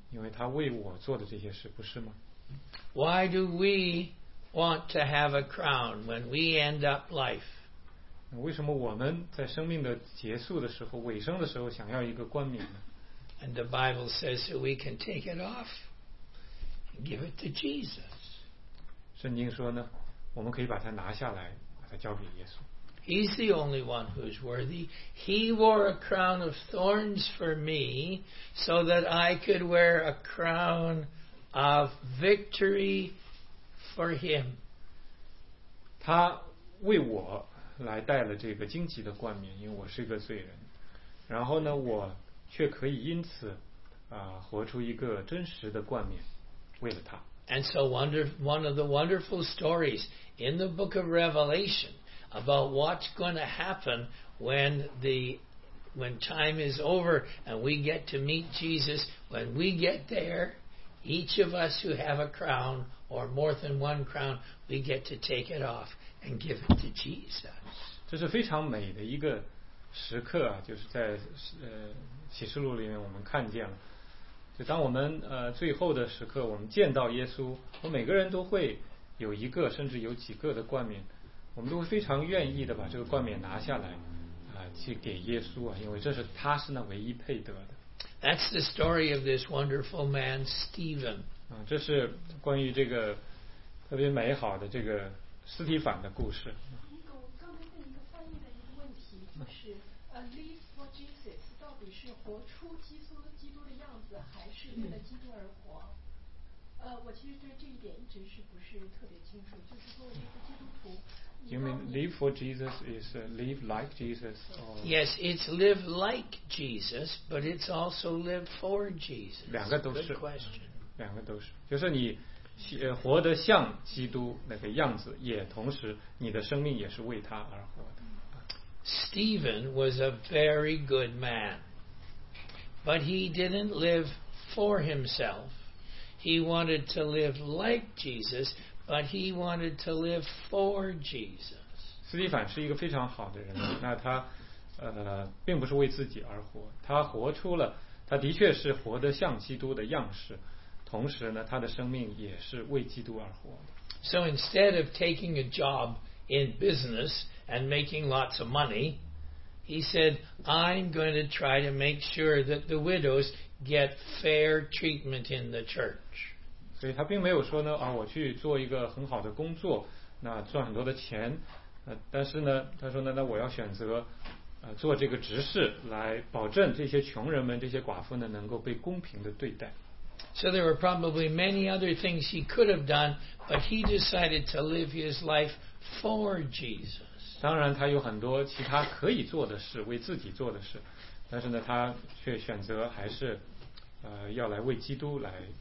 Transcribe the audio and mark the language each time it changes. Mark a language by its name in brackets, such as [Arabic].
[Chinese] 因为他为我做的这些事，不是吗？ [English] Why do we want to have a crown when we end up life? [Chinese] 为什么我们在生命的结束的时候，尾声的时候，想要一个冠冕呢？ [English] And the Bible says that we can take it off and give it to Jesus. [Chinese] 圣经说呢，我们可以把它拿下来，把它交给耶稣。 [English] He's the only one who's worthy. He wore a crown of thorns for me so that I could wear a crown of victory for him. [Chinese] 他为我来戴了这个荆棘的冠冕，因为我是个罪人。然后呢，我却可以因此活出一个真实的冠冕，为了他。 [English] And so one of the wonderful stories in the book of Revelation about what's going to happen when time is over and we get to meet Jesus. When we get there, each of us who have a crown or more than one crown, we get to take it off and give it to Jesus. [Chinese] 这是非常美的一个时刻啊，就是在启示录里面我们看见了。就当我们最后的时刻，我们见到耶稣，我们每个人都会有一个甚至有几个的冠冕。我们都非常愿意的把这个冠冕拿下来去给耶稣啊，因为这是他是那唯一配得的。 [English] That's the story of this wonderful man Stephen. [Chinese] 这是关于这个特别美好的这个斯提凡的故事。我刚才问一个翻译的一个问题，就是 [English] live for Jesus [Chinese] 到底是活出基督的基督的样子，还是为了基督而活？我其实对这一点一直是不是特别清楚，就是作为一个基督徒。 [English] You mean live for Jesus is live like Jesus? Or yes, it's live like Jesus, but it's also live for Jesus. [Chinese] 两个都是。 [English] Good question. [Chinese] 两个都是，就是你活得像基督那个样子，也同时你的生命也是为他而活的。 [English] Stephen was a very good man, but he didn't live for himself. He wanted to live like Jesus. But he wanted to live for Jesus. [Chinese] 斯蒂凡是一个非常好的人，那他并不是为自己而活，他活出了，他的确是活得像基督的样式，同时呢，他的生命也是为基督而活的。 [English] So instead of taking a job in business and making lots of money, he said, "I'm going to try to make sure that the widows get fair treatment in the church." [Chinese] 所以他并没有说呢我去做一个很好的工作，那赚很多的钱，但是呢，他说呢，那我要选择做这个执事，来保证这些穷人们、这些寡妇呢，能够被公平的对待。 [English] So there were probably many other things he could have done, but he decided to live his life for Jesus. [Chinese] 当然，他有很多其他可以做的事，为自己做的事，但是呢，他却选择还是要来为基督来。